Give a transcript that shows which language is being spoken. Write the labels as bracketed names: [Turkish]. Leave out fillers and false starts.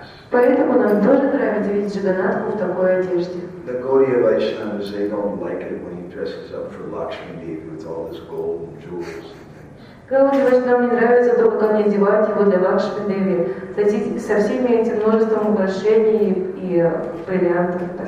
[Russian] Поэтому нам тоже нравится видеть Джаганнатху в такой одежде. [English] The Gaudiya Vaishnavas, they don't like it when he dresses up for Lakshmi Devi with all his gold and jewels and things. [Russian] Нам не нравится то, как они одевают его для Лакшми Деви, со всеми этим множеством украшений и бриллиантов.